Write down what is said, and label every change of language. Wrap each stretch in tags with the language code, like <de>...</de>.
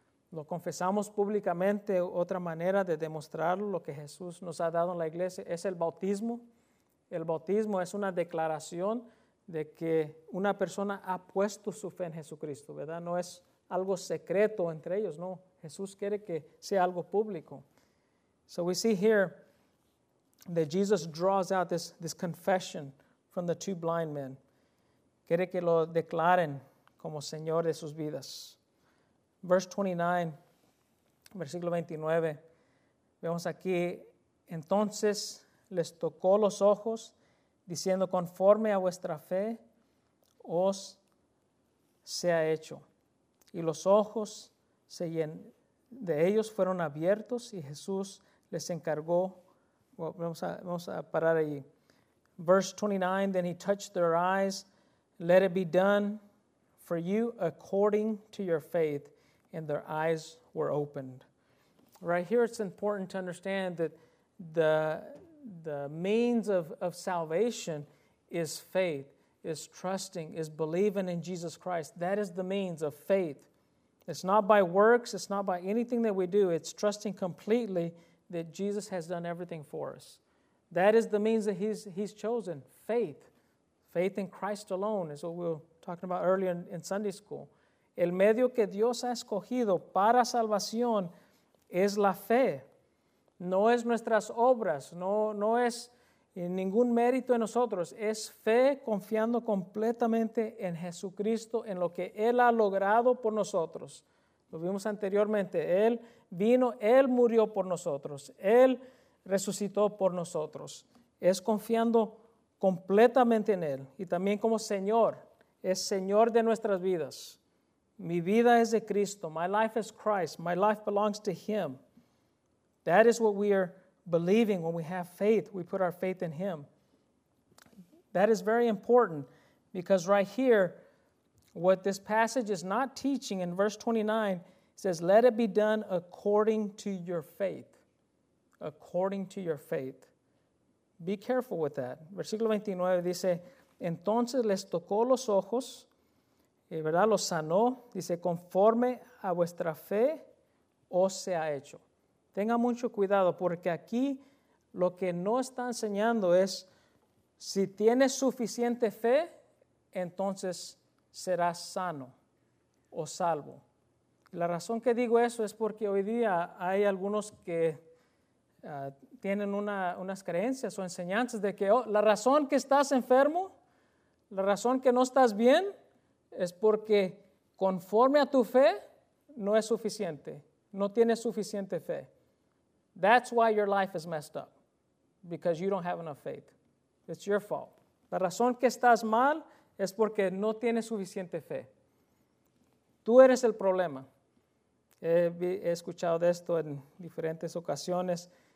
<es>Lo confesamos públicamente. Otra manera de demostrar lo que Jesús nos ha dado en la iglesia es el bautismo. El bautismo es una declaración de que una persona ha puesto su fe en Jesucristo, ¿verdad? No es algo secreto entre ellos, no. Jesús quiere que sea algo público.</es> <en>So we see here that Jesus draws out this confession from the two blind men.</en> <es>Quiere que lo declaren como Señor de sus vidas.</es> <en>Verse 29,</en> <es>versículo 29. Vemos aquí Entonces les tocó los ojos, diciendo: conforme a vuestra fe os sea hecho. Y los ojos se de ellos fueron abiertos, y Jesús les encargó.</es> <en>Well,</en> <es>vamos a parar ahí.</es> <en>Verse 29, then he touched their eyes, let it be done for you according to your faith, and their eyes were opened. Right here it's important to understand that the means of salvation is faith, is trusting, is believing in Jesus Christ. That is the means of faith. It's not by works, it's not by anything that we do, it's trusting completely that Jesus has done everything for us. That is the means that he's chosen, faith. Faith in Christ alone is what we were talking about earlier in Sunday school.</en> <es>El medio que Dios ha escogido para salvación es la fe. No es nuestras obras, no es ningún mérito en nosotros. Es fe confiando completamente en Jesucristo, en lo que Él ha logrado por nosotros. Lo vimos anteriormente. Él vino, Él murió por nosotros. Él resucitó por nosotros. Es confiando completamente en Él. Y también como Señor. Es Señor de nuestras vidas. Mi vida es de Cristo.</es> <en>My life is Christ. My life belongs to Him. That is what we are believing when we have faith. We put our faith in Him. That is very important, because right here, what this passage is not teaching in verse 29, it says, let it be done according to your faith. According to your faith. Be careful with that.</en> <es>Versículo 29 dice, entonces les tocó los ojos, ¿verdad? Los sanó. Dice, conforme a vuestra fe os sea hecho. Tenga mucho cuidado, porque aquí lo que no está enseñando es, si tienes suficiente fe, entonces serás sano o salvo. La razón que digo eso es porque hoy día hay algunos que tienen unas creencias o enseñanzas de que la razón que estás enfermo, la razón que no estás bien, es porque conforme a tu fe no es suficiente, no tienes suficiente fe.</es> <en>That's why your life is messed up, because you don't have enough faith. It's your fault.</en> <es>La razón que estás mal es porque no tienes suficiente fe. Tú eres el problema. He escuchado de esto en diferentes ocasiones.</es>